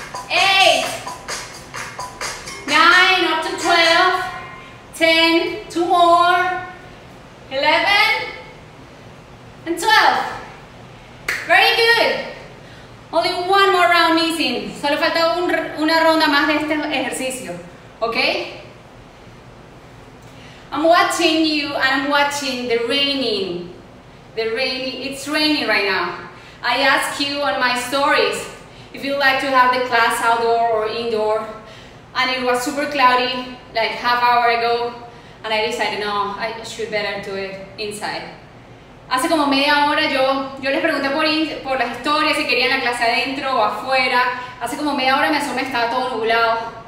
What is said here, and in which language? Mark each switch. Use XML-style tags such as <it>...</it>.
<en>8, 9, up to 12, 10, 2 more, 11, and 12. Very good. Only one more round missing. Solo falta una ronda más de este ejercicio. Okay? I'm watching you and I'm watching the raining. The rain, it's raining right now. I ask you on my stories if you'd like to have the class outdoor or indoor. And it was super cloudy like half hour ago. And I decided, no, I should better do it inside.</en> <es>Hace como media hora yo les pregunté por las historias si querían la clase adentro o afuera. Hace como media hora me asomé, estaba todo nublado.</es>